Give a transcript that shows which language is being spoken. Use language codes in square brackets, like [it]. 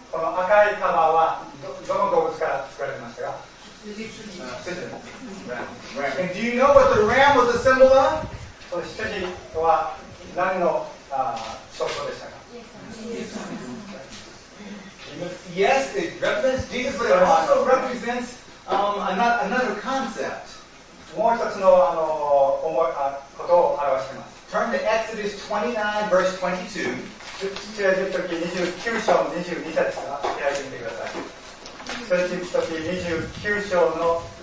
[ja] この赤い玉はどの動物から作られましたか？羊。 [en] And do you know what the ram was a symbol of? [ja] この羊とは何の象徴でしたか？ [en] Yes, it represents Jesus, but it also represents another concept. [ja] もう一つの ことを表しています。 [en] Turn to Exodus 29, verse 22. [ja] 出エジプト記29章の22節から開いてみてください。出エジプト記29章の